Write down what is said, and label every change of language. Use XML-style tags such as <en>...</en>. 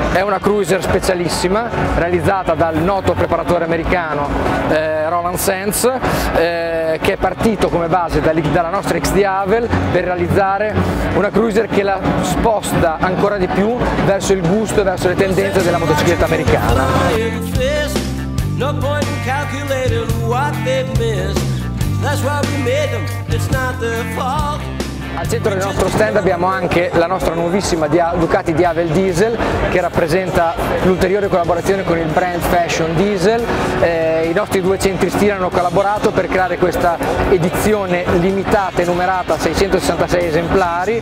<it>È una cruiser specialissima realizzata dal noto preparatore americano Roland Sands, che è partito come base dalla nostra XDiavel per realizzare una cruiser che la sposta ancora di più verso il gusto e verso le tendenze della motocicletta americana.</it> <en>No point in calculating what they missed. That's why we made them. It's not their fault.</en> <it>Al centro del nostro stand abbiamo anche la nostra nuovissima Ducati Diavel Diesel, che rappresenta l'ulteriore collaborazione con il brand Fashion Diesel. I nostri due centristi hanno collaborato per creare questa edizione limitata e numerata a 666 esemplari.</it>